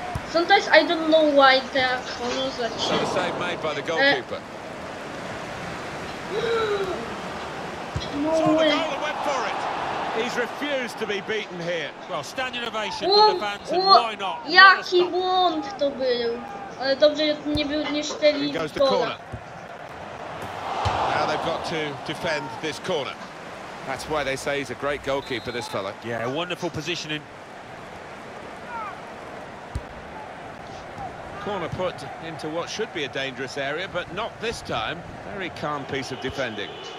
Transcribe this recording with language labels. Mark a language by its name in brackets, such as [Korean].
[English] Sometimes I don't know why there are corners like that. So the save made by the goalkeeper. No way. He's refused to be beaten here. Well, standing ovation for the fans, and why not? [Polish] Jaki błąd to był. Ale dobrze, że to nie był niszczeli [English] pola. Now they've got to defend this corner. That's why they say he's a great goalkeeper, this fella. Yeah, wonderful positioning. Corner put into what should be a dangerous area, but not this time. Very calm piece of defending.